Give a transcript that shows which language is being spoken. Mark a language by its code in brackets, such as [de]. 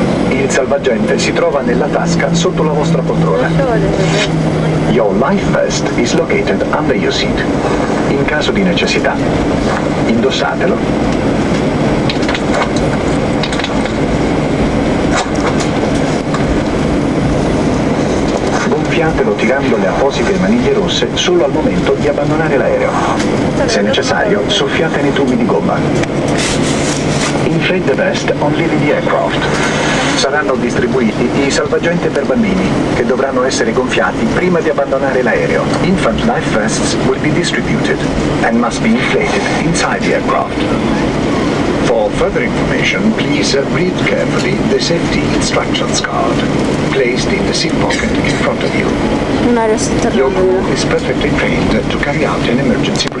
[it] Il salvagente si trova nella tasca sotto la vostra poltrona. [en] Your life vest is located under your seat. [it] In caso di necessità, indossatelo. Gonfiatelo tirando le apposite maniglie rosse solo al momento di abbandonare l'aereo. Se necessario, soffiate nei tubi di gomma. [en] Inflate the vest on leaving the aircraft. [it] Saranno distribuiti i salvagente per bambini, che dovranno essere gonfiati prima di abbandonare l'aereo. [en] Infant life vests will be distributed and must be inflated inside the aircraft. For further information, please read carefully the safety instructions card placed in the seat pocket in front of you. Your crew is perfectly trained to carry out an emergency procedure.